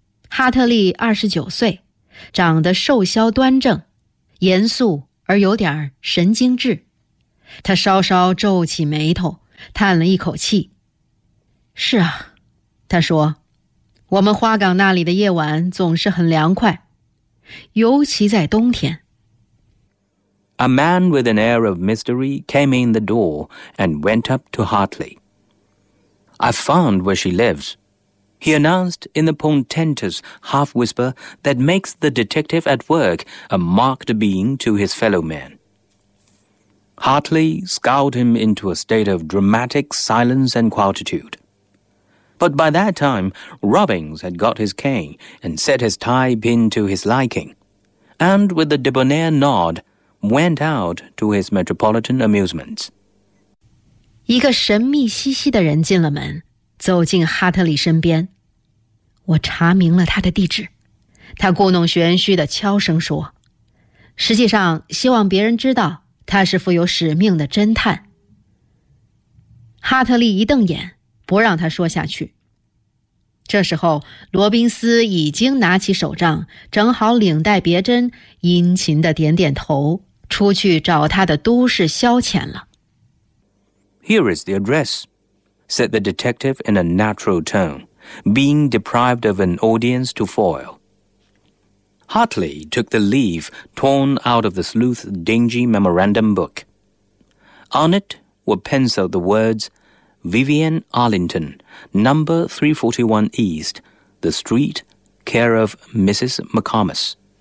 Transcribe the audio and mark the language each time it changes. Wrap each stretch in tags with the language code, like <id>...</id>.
<zh>哈特利29岁，长得瘦削端正，严肃而有点神经质。他稍稍皱起眉头，叹了一口气。是啊，他说，我们花岗那里的夜晚总是很凉快，尤其在冬天。</zh> <en>A man with an air of mystery came in the door and went up to Hartley. I found where she lives. He announced in the portentous half-whisper that makes the detective at work a marked being to his fellow men. Hartley scowled him into a state of dramatic silence and quietude. But by that time, Robbins had got his cane and set his tie pin to his liking, and with a debonair nod, went out to his metropolitan amusements.</en> <zh>一个神秘兮兮的人进了门，走进哈特利身边。我查明了他的地址，他故弄玄虚地悄声说，实际上希望别人知道他是富有使命的侦探。哈特利一瞪眼，不让他说下去。这时候罗宾斯已经拿起手杖，整好领带别针，殷勤地点点头，出去找他的都市消遣了。</zh> <en>Here is the address, said the detective in a natural tone. being deprived of an audience to foil. Hartley took the leaf torn out of the sleuth's dingy memorandum book. On it were penciled the words, Vivian Arlington, number 341 East, the street, care of Mrs. McComas.</en>